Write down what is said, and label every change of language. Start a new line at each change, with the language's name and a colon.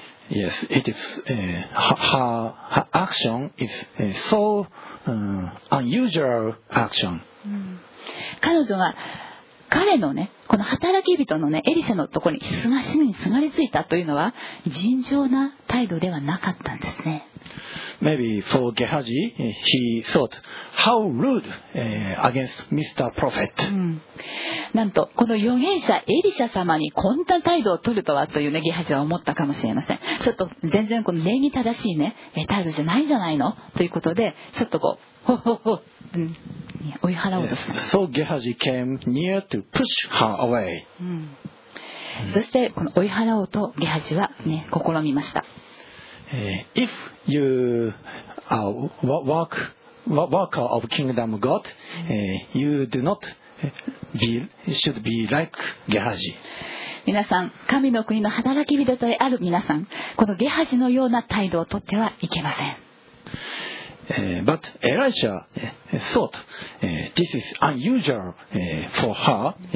English: Yes, it is, her action is so unusual action.
Japanese: 彼女が彼のね、この働き人のね、エリシャのところにすがりついたというのは、尋常な態度ではなかったんですね。
English: Maybe for Gehazi, he thought, how rude against Mr. Prophet.
Japanese: なんと、この預言者エリシャ様にこんな態度を取るとはというね、ゲハジは思ったかもしれません。ちょっと全然この礼儀正しいね、態度じゃないじゃないのということで、ちょっとこう、追い払おうとした。
English: So Gehazi came near to push her away.
Japanese: そして、この追い払おうとゲハジはね、試みました。
English: If you are worker of kingdom of God, you do not be, should be like Gehazi.
Japanese: 皆さん、神の国の働き人である皆さん、このゲハジのような態度をとってはいけません。
English: But Elisha thought this is unusual for her.